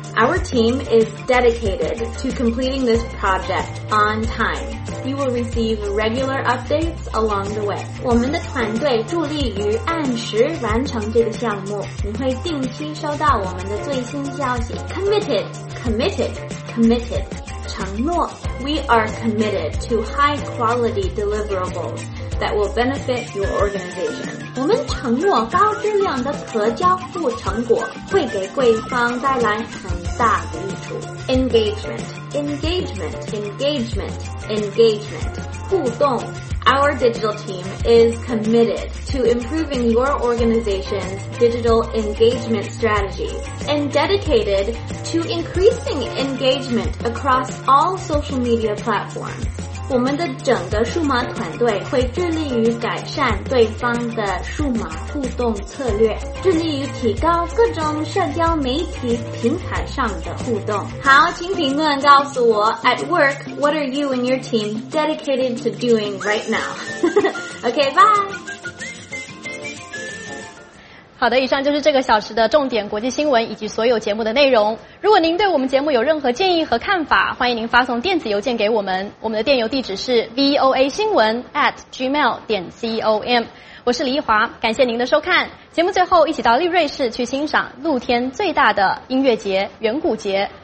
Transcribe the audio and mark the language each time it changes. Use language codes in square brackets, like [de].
[en] Our team is dedicated to completing this project on time. You will receive regular updates along the way. [zh] 我们的团队助力于按时完成这个项目，你会定期收到我们的最新消息。 [en] Committed, 承诺。 We are committed to high quality deliverables that will benefit your organization. [zh] 我们承诺高质量的可交付成果会给贵方带来很大的益处。 [en] Engagement, 互动。 Our digital team is committed to improving your organization's digital engagement strategies and dedicated to increasing engagement across all social media platforms. [zh] 我们的整个数码团队会致力于改善对方的数码互动策略，致力于提高各种社交媒体平台上的互动。好，请评论告诉我 [en] ,at work, what are you and your team dedicated to doing right now? Okay, bye! [zh] 好的，以上就是这个小时的重点国际新闻以及所有节目的内容。如果您对我们节目有任何建议和看法，欢迎您发送电子邮件给我们。我们的电邮地址是 voasinwen@gmail.com。我是李一华，感谢您的收看。节目最后，一起到丽瑞士去欣赏露天最大的音乐节——圆鼓节。